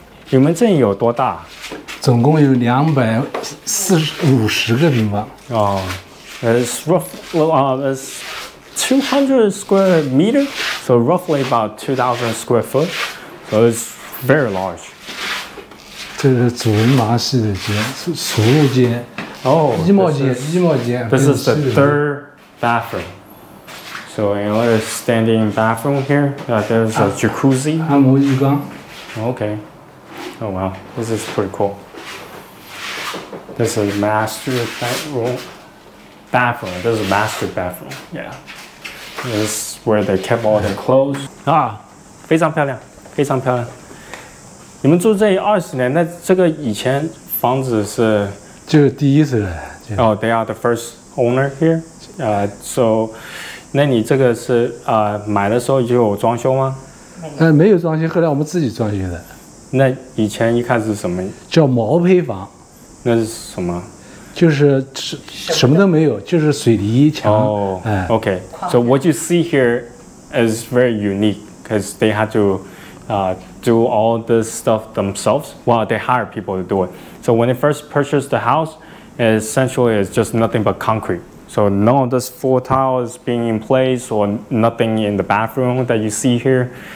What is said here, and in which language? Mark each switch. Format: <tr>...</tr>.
<zh>你们这里有多大？总共有250个平方。</zh> <en>It's it's 200 square meter, so roughly about 2,000 square foot. So it's very large.</en> <zh>这是主人房洗手间，储物间。衣帽间。</zh> <en>This is the third bathroom. So another standing bathroom here. There's a jacuzzi.</en> <zh>按摩浴缸。</zh> <en>Okay. Oh wow, this is pretty cool. This is master bedroom. Bathroom, this is a master bathroom. Yeah. This is where they kept all their clothes.</en> <zh>非常漂亮，非常漂亮。你们住这里20年，那这个以前房子是？就是第一次的。</zh> <en>Oh, they are the first owner here. So,</en> <zh>那你这个是买的时候就有装修吗？没有装修，后来我们自己装修的。那以前一开始什么叫毛坯房？那是什么？就是什么都没有，就是水泥墙。</zh> <en>Okay. So what you see here is very unique because they had to do all this stuff themselves. Well, they hire people to do it. So when they first purchased the house, essentially it's just nothing but concrete. So none of this floor tiles being in place or nothing in the bathroom that you see here.</en>